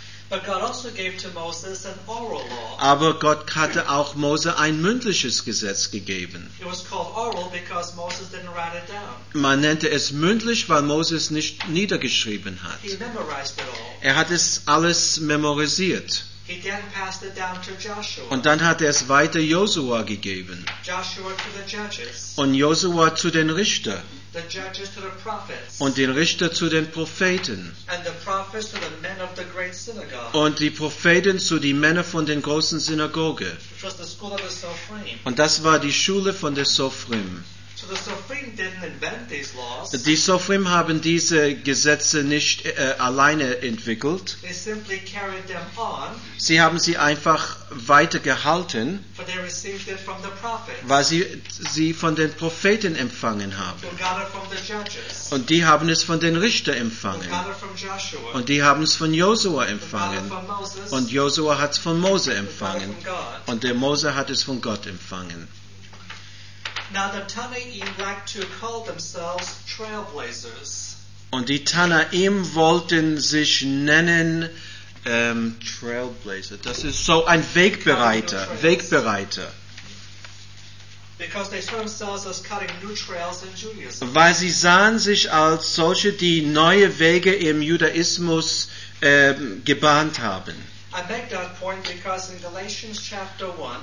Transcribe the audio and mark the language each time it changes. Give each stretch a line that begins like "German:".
English: But God also gave to Moses an oral law.
German: Aber Gott hatte auch Mose ein mündliches Gesetz gegeben.
English: It was called oral because Moses didn't write it down.
German: Man nannte es mündlich, weil Moses nicht niedergeschrieben hat.
English: He memorized it all.
German: Er hat es alles memorisiert.
English: He then passed it down to Joshua.
German: Und dann hat er es weiter Josua gegeben.
English: Joshua to the judges.
German: Und Josua zu den Richtern.
English: The judges to the prophets.
German: Und den Richter zu den Propheten.
English: And the prophets to the men of the great synagogue.
German: Und die Propheten zu den Männern von den großen Synagoge.
English: Which was the school of the Sofrim.
German: Und das war die Schule von der Sofrim.
English: So the Sofrim didn't invent these laws.
German: Die Sofrim haben diese Gesetze nicht alleine entwickelt.
English: They simply carried them on.
German: Sie haben sie einfach weitergehalten,
English: for they received it from the prophets,
German: weil sie sie von den Propheten empfangen haben.
English: Who got it from the judges.
German: Und die haben es von den Richtern empfangen.
English: Who got it from Joshua.
German: Und die haben es von Josua empfangen.
English: Who got it from Moses.
German: Und Josua hat es von Mose empfangen.
English: Who got it from God.
German: Und der Mose hat es von Gott empfangen.
English: Now the Tanaim like to call themselves trailblazers.
German: Und die Tanaim wollten sich nennen trailblazer. Das ist so ein Wegbereiter. Wegbereiter.
English: Because they saw themselves as cutting new trails in Judaism.
German: Weil sie sahen sich als solche, die neue Wege im Judaismus gebahnt haben.
English: I make that point because in Galatians chapter 1,